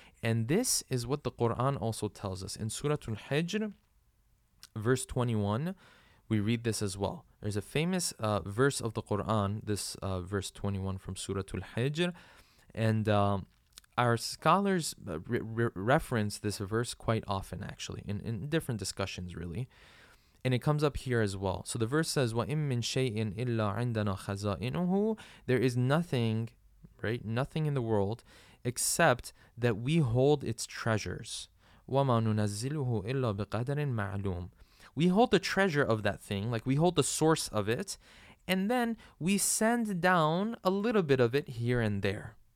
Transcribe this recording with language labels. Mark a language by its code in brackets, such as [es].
[en] And this is what the Quran also tells us. In Surah Al-Hijr, verse 21, we read this as well. There's a famous verse of the Quran, this verse 21 from Surah Al-Hijr. And our scholars reference this verse quite often, actually, in different discussions, really. And it comes up here as well. [ar] So the verse says, وَإِن مِّن شَيْءٍ إِلَّا عِنْدَنَا خَزَائِنُهُ. [en] There is nothing, right, nothing in the world, except that we hold its treasures. [ar] وَمَا نُنَزِّلُهُ إِلَّا بِقَدَرٍ مَعْلُومٍ. [en] We hold the treasure of that thing, like we hold the source of it, and then we send down a little bit of it here and there.